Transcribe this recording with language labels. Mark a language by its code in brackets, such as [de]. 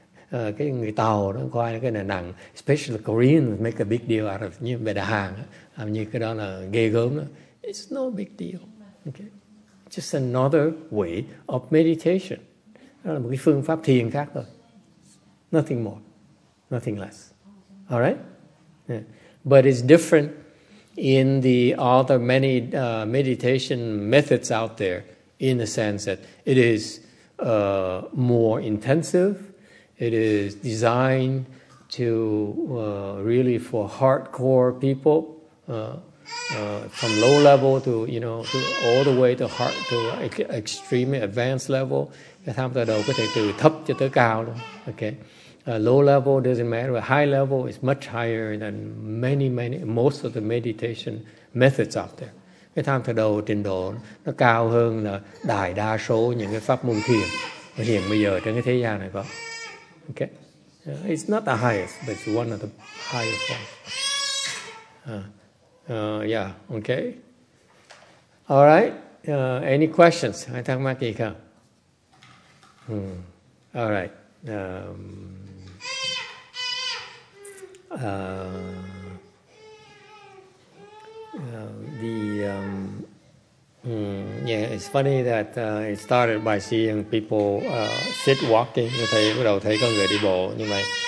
[vi] Cái người Tàu nó coi cái này nặng, [en] especially Koreans make a big deal out of [vi] như về đà hàng, làm như cái đó là ghê gớm đó. [en] It's no big deal. Okay, just another way of meditation. [vi] Đó là một cái phương pháp thiền khác thôi. [en] Nothing more, nothing less. All right, yeah. But it's different in the other many meditation methods out there, in the sense that it is more intensive. It is designed to really for hardcore people, from low level to, you know, to all the way to hard, to extremely advanced level. [vi] Cái tham tơ đầu có thể từ thấp cho tới cao luôn. [en] Okay, low level doesn't matter. But high level is much higher than many most of the meditation methods out there. [vi] Cái tham tơ đầu trình độ nó cao hơn là đại đa số những cái pháp môn thiền hiện bây giờ trên cái thế gian này có. [en] Okay, it's not the highest, but it's one of the highest ones. Yeah, okay. All right, any questions? I talk about it. All right. Yeah, it's funny that it started by seeing people sit walking. [vi] Như thấy bắt đầu thấy con người đi bộ như vậy.